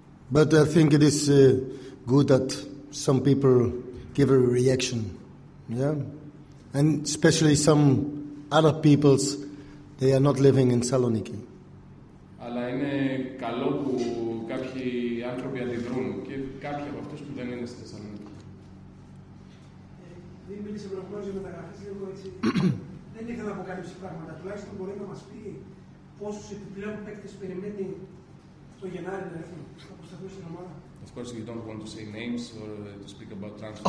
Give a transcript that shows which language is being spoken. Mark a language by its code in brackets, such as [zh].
[en] But I think it is good that some people give a reaction, yeah? And especially some other peoples, they are not living in Saloniki. [el] Αλλά είναι καλό που κάποιοι άνθρωποι αντιδρούν, και κάποιοι από αυτούς που δεν είναι στη Θεσσαλονίκη. Δεν μίλησε προχώρης για μεταγραφές, λίγο έτσι. Δεν ήθελα να αποκαλύψει πράγματα. Τουλάχιστον μπορεί να μας πει πόσους επιπλέον παίκτες περιμένει [en] Of course, you don't want to say names or to speak about transfers.